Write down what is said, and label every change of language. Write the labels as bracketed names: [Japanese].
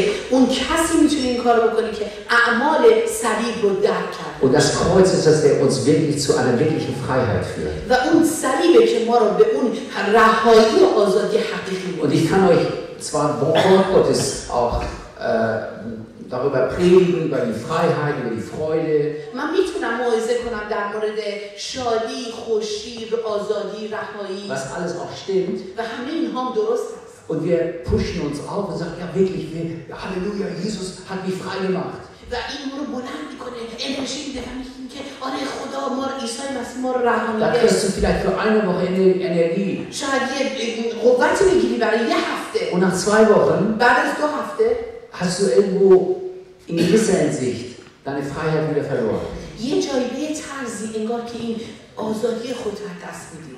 [Persian] اون کسی میتونه این کارو بکنه که اعمال صلیب رو درک کرد. [German] Und das Kreuz ist das, der uns wirklich zu einer wirklichen Freiheit führt. [Persian] و اون صلیبه که ما رو به اون رهایی و آزادی حقیقی. [German] Und ich kann euch zwar Wort Gottes auch darüber predigen, über die Freiheit, über die Freude. [Persian] Man میتونم موعظه کنم در مورد شادی، خوشی، آزادی، رهایی. [German] Was alles auch stimmt. [Persian] و همه اینها هم درست است. [German] Und wir pushen uns auf und sagen, ja wirklich, Halleluja, Jesus hat mich frei gemacht. [Persian] و این رو بلند میکنه. انرژی میده که آره خدا ما رو عیسی مسیح ما رو رها میده. [German] Da kriegst du vielleicht für eine Woche Energie. [Persian] شاید یه قوت میگیری برای یه هفته. [German] Und nach zwei Wochen. [Persian] بعد از دو هفته. [German] Hast du irgendwo in gewisser Hinsicht deine Freiheit wieder verloren? [Persian] یه جایی به طرزی انگار که این آزادی خود رو دست میدی.